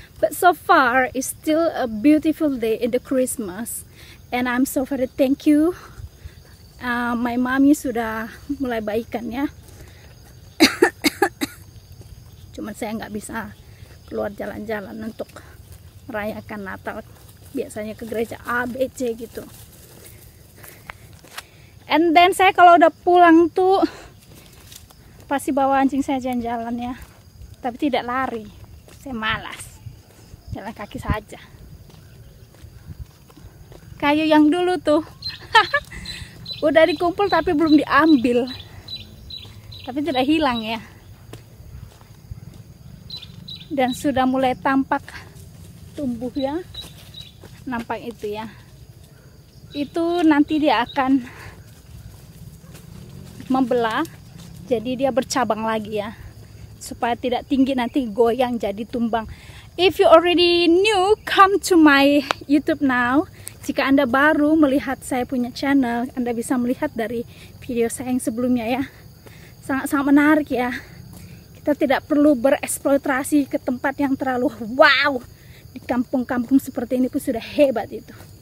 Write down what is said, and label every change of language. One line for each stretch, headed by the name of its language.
English: But so far it's still a beautiful day in the Christmas. And I'm so very thank you. My mommy
Indonesian: sudah mulai baikan ya. Cuman saya nggak bisa keluar jalan-jalan untuk merayakan Natal. Biasanya ke gereja A, B, C gitu.
English: And then
Indonesian: saya kalau udah pulang tuh pasti bawa anjing saya jalan-jalan ya. Tapi tidak lari. Saya malas. Jalan kaki saja. Kayu yang dulu tuh. Udah dikumpul tapi belum diambil. Tapi tidak hilang ya. Dan sudah mulai tampak tumbuh ya. Nampak itu ya. Itu nanti dia akan membelah. Jadi dia bercabang lagi ya, supaya tidak tinggi nanti goyang jadi tumbang.
English: If you already new, come to my YouTube now.
Indonesian: Jika Anda baru melihat saya punya channel, Anda bisa melihat dari video saya yang sebelumnya ya. Sangat-sangat menarik ya. Kita tidak perlu bereksploitasi ke tempat yang terlalu wow. Di kampung-kampung seperti ini pun sudah hebat itu.